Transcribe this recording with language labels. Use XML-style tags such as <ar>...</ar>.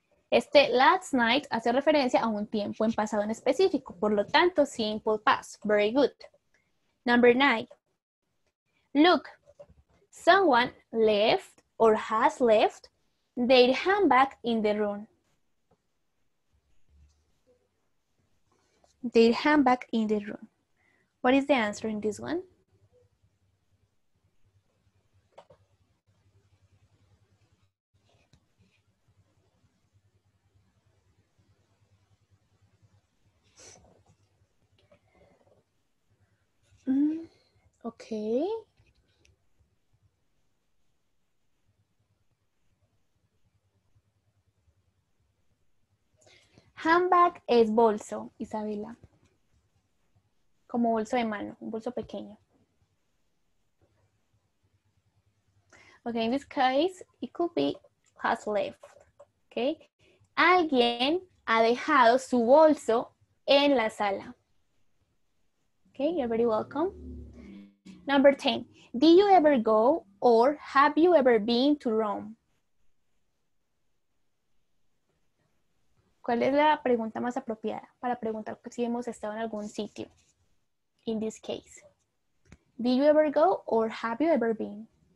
<es>Este</es> <en>last night</en> <es>hace referencia a un tiempo en pasado en específico. Por lo tanto,</es> <en>simple past. Very good. Number nine. Look, someone left or has left their handbag in the room. Their handbag in the room. What is the answer in this one? Okay.</en> <es>Handbag es bolso, Isabela. Como bolso de mano, un bolso pequeño.</es> <en>Okay, in this case, it could be has left. Okay.</en> <es>Alguien ha dejado su bolso en la sala.</es> <en>Okay, you're very welcome. Number 10. Did you ever go or have you ever been to Rome?</en> <es>¿Cuál es la pregunta más apropiada para preguntar si hemos estado en algún sitio?</es> <en>In this case. Did you ever go or have you ever been?</en>